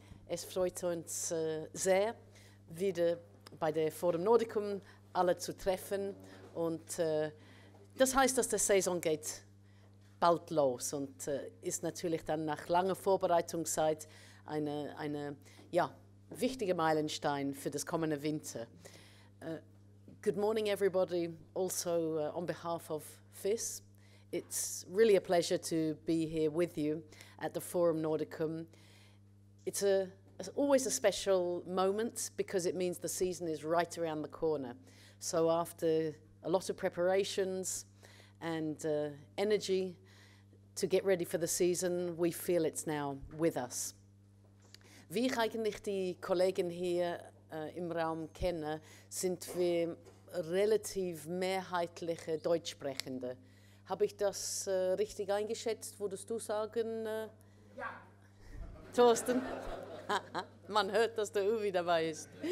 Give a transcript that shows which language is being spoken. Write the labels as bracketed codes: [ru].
[de] Es freut uns sehr, wieder bei der Forum Nordicum alle zu treffen. Und das heißt, dass die Saison geht bald los und ist natürlich dann nach langer Vorbereitungszeit eine ja, wichtige Meilenstein für das kommende Winter. [en] Good morning, everybody. Also on behalf of FIS, it's really a pleasure to be here with you at the Forum Nordicum. It's always a special moment because it means the season is right around the corner. So after a lot of preparations and energy to get ready for the season, we feel it's now with us. [de] Wie ich eigentlich die Kollegen hier im Raum kenne, sind wir relativ mehrheitliche Deutschsprechende. Habe ich das richtig eingeschätzt? Würdest du sagen? Ja. Thorsten? Man hört, dass der Uwe dabei ist.